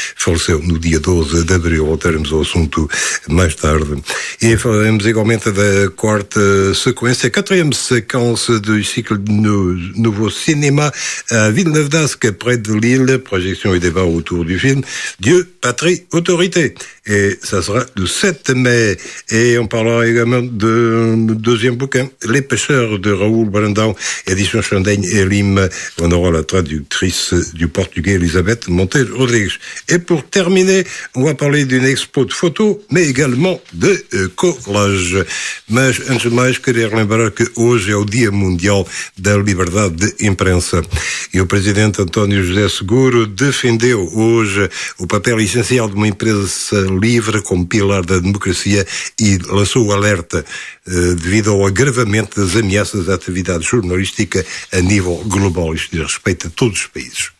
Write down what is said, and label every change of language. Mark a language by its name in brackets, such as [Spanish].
[Portuguese] Faleceu no dia 12 de abril. Voltaremos ao assunto mais tarde. E falaremos igualmente da quarta sequência, 4ª sequência do ciclo de Novo Cinema, à Villeneuve d'Ascq, [French] près de Lille, [Portuguese] projeção e [French] débat autour du film [Portuguese] Dieu, Patrie, Autorité. [French] Et ça sera le 7 mai. Et on parlera également de deuxième bouquin, Les Pêcheurs de Raoul Brandão, édition Chandaigne et Lima. On aura la traductrice du portugais Elisabeth Montel-Rodrigues. Et pour terminer, on va parler d'une expo de photos, mais également de collages. [Portuguese] Mas antes de mais, queria relembrar que hoje é o Dia Mundial da Liberdade de Imprensa. E o presidente António José Seguro defendeu hoje o papel essencial de uma imprensa livre como pilar da democracia e lançou o alerta devido ao agravamento das ameaças à atividade jornalística a nível global, isto diz respeito a todos os países.